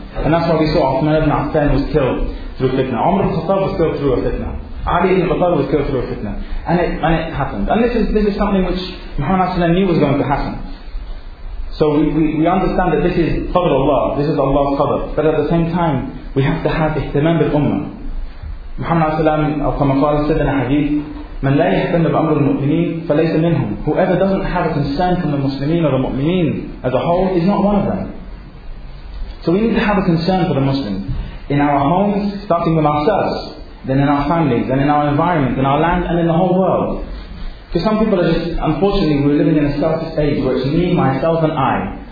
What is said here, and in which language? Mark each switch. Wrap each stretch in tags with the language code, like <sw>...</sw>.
<en>And that's why we saw Uthman ibn Affan was killed through fitna. Umar al-Khattab was killed through a fitna. Ali ibn Battal was killed through a fitna. And it happened. And this is something which Muhammad s.a.w. knew was going to happen. So we understand that this is Qadr Allah, this is Allah's Qadr. But at the same time, we have to have</en> <ar>ihtimam bil ummah.</ar> <en>Muhammad s.a.w. said in a hadith,</en> <ar>من لا يهتم بأمر المؤمنين فليس منهم.</ar> <en>Whoever doesn't have a concern from the Muslimin or the Mu'mineen as a whole is not one of them. So we need to have a concern for the Muslim in our homes, starting with ourselves, then in our families, then in our environment, in our land, and in the whole world. Because some people are just, unfortunately, we're living in a selfish age where it's me, myself, and I.</en>